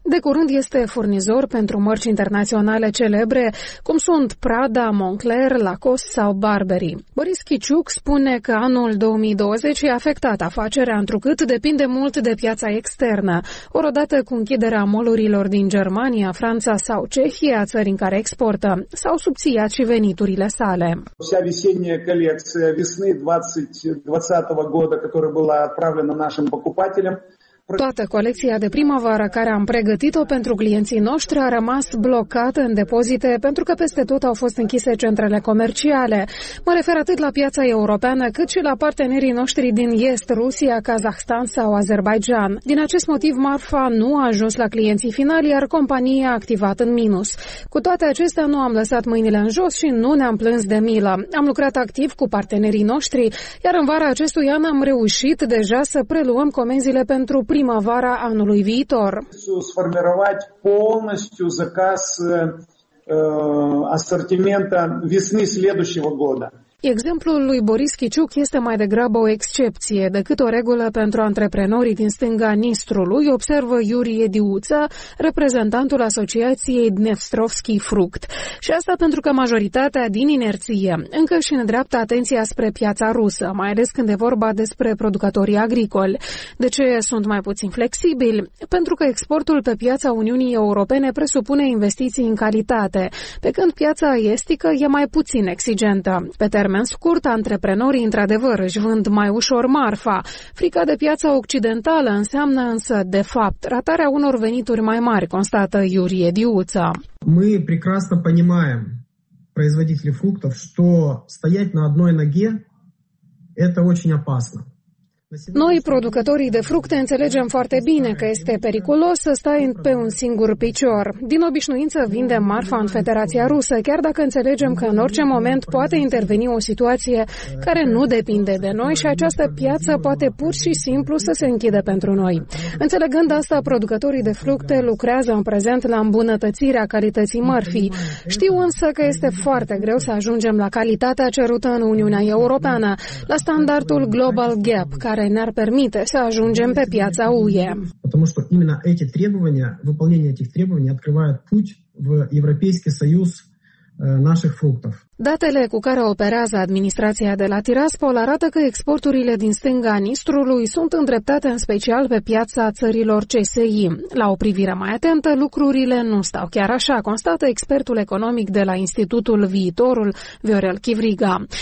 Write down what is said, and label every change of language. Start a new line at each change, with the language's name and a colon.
Romanian: De curând este furnizor pentru mărci internaționale celebre, cum sunt Prada, Moncler, Lacoste sau Burberry. Boris Chiciuc spune că anul 2020 a afectat afacerea, întrucât depinde mult de piața externă. Orodată cu închiderea molurilor din Germania, Franța sau Cehia, țări în care exportă, s-au subțiat și veniturile sale.
Russian: Вся весенняя колекция весны 2020 года, которая была отправлена нашим покупателям,
Romanian: toată colecția de primăvară care am pregătit-o pentru clienții noștri a rămas blocată în depozite pentru că peste tot au fost închise centrele comerciale. Mă refer atât la piața europeană cât și la partenerii noștri din est, Rusia, Kazahstan sau Azerbaidjan. Din acest motiv, marfa nu a ajuns la clienții finali, iar compania a activat în minus. Cu toate acestea, nu am lăsat mâinile în jos și nu ne-am plâns de milă. Am lucrat activ cu partenerii noștri, iar în vara acestui an am reușit deja să preluăm comenzile pentru primăvara anului viitor.
Russian: Сформировать полностью заказ ассортимента весны следующего года.
Romanian: Exemplul lui Boris Chiciuc este mai degrabă o excepție decât o regulă pentru antreprenorii din stânga Nistrului, observă Iurie Diuța, reprezentantul Asociației Dnestrovski Fruct. Și asta pentru că majoritatea din inerție încă își îndreaptă atenția spre piața rusă, mai ales când e vorba despre producătorii agricoli. De ce sunt mai puțin flexibili? Pentru că exportul pe piața Uniunii Europene presupune investiții în calitate, pe când piața estică e mai puțin exigentă. Pe termen scurt, antreprenorii, într-adevăr, își vând mai ușor marfa. Frica de piața occidentală înseamnă însă, de fapt, ratarea unor venituri mai mari, constată Iurie Diuța.
Russian: Мы прекрасно понимаем, производители фруктов, что стоять на одной ноге – это очень опасно.
Romanian: Noi, producătorii de fructe, înțelegem foarte bine că este periculos să stai pe un singur picior. Din obișnuință, vindem marfa în Federația Rusă, chiar dacă înțelegem că în orice moment poate interveni o situație care nu depinde de noi și această piață poate pur și simplu să se închidă pentru noi. Înțelegând asta, producătorii de fructe lucrează în prezent la îmbunătățirea calității mărfii. Știu însă că este foarte greu să ajungem la calitatea cerută în Uniunea Europeană, la standardul Global Gap, care ne-ar permite să ajungem pe piața UE. Pentru că
Russian: именно эти требования, выполнение этих требований открывает путь в Европейский Союз наших фруктов.
Romanian: Datele cu care operează administrația de la Tiraspol arată că exporturile din stânga Nistrului sunt îndreptate în special pe piața țărilor CSI. La o privire mai atentă, lucrurile nu stau chiar așa, constată expertul economic de la Institutul Viitorul, Viorel Chivriga.